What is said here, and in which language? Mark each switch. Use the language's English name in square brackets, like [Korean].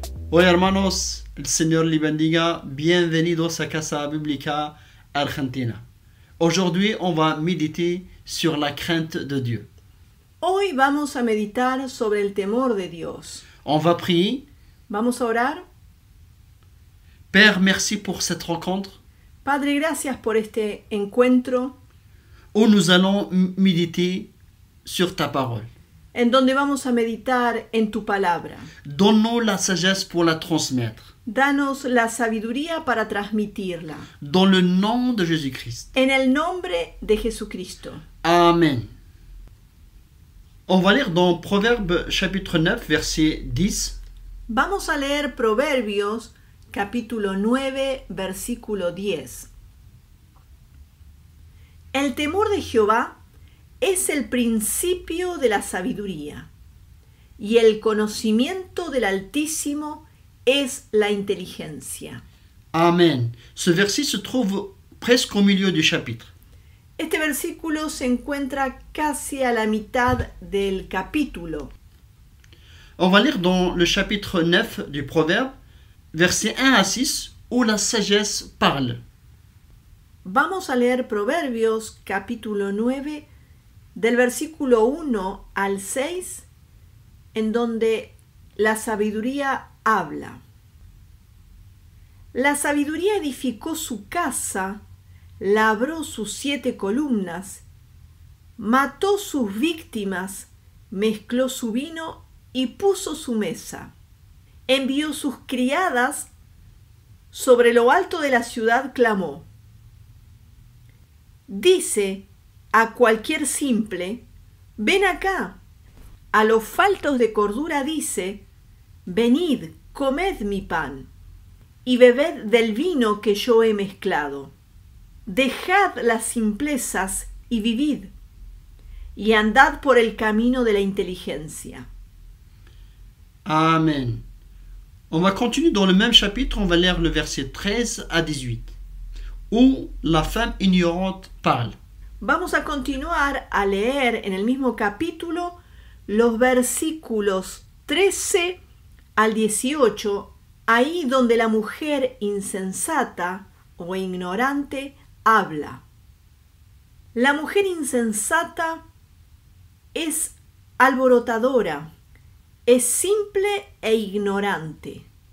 [Spanish] Oye hermanos, el Señor les bendiga, bienvenidos a Casa Biblica Argentina. [French] Aujourd'hui, on va méditer sur la crainte de Dieu. [Spanish] Hoy vamos a meditar sobre el temor de Dios. [French] On va prier. [Spanish] Vamos a orar. [French] Père, merci pour cette rencontre. [Spanish] Padre, gracias por este encuentro. [French] Où nous allons méditer sur ta parole. [Spanish] En donde vamos a meditar en tu palabra. [French] Donne-nous la sagesse pour la transmettre. [Spanish] Danos la sabiduría para transmitirla. [French] Dans le nom de Jésus-Christ. [Spanish] En el nombre de Jesucristo. Amen. [French] On va lire dans Proverbe chapitre 9, verset 10. [Spanish] Vamos a leer Proverbios, capítulo 9, versículo 10. El temor de Jehová es el principio de la sabiduría, y el conocimiento del Altísimo es la inteligencia. Amén. [French] Ce verset se trouve presque au milieu du chapitre. [Spanish] Este versículo se encuentra casi a la mitad del capítulo. [French] On va lire dans le chapitre 9 du Proverbe, versets 1 à 6, où la sagesse parle. [Spanish] Vamos a leer Proverbios, capítulo 9, del versículo 1 al 6, en donde la sabiduría habla. La sabiduría edificó su casa, labró sus siete columnas, mató sus víctimas, mezcló su vino y puso su mesa. Envió sus criadas, sobre lo alto de la ciudad clamó. Dice a cualquier simple, ven acá. A los faltos de cordura dice, venid, comed mi pan y bebed del vino que yo he mezclado. Dejad las simplezas y vivid, y andad por el camino de la inteligencia. Amén. [French] On va continuer dans le même chapitre, on va lire le verset 13 à 18, où la femme ignorante parle. [Spanish] Vamos a continuar a leer en el mismo capítulo los versículos 13 al 18, ahí donde la mujer insensata o ignorante habla. La mujer insensata es alborotadora, es simple e ignorante.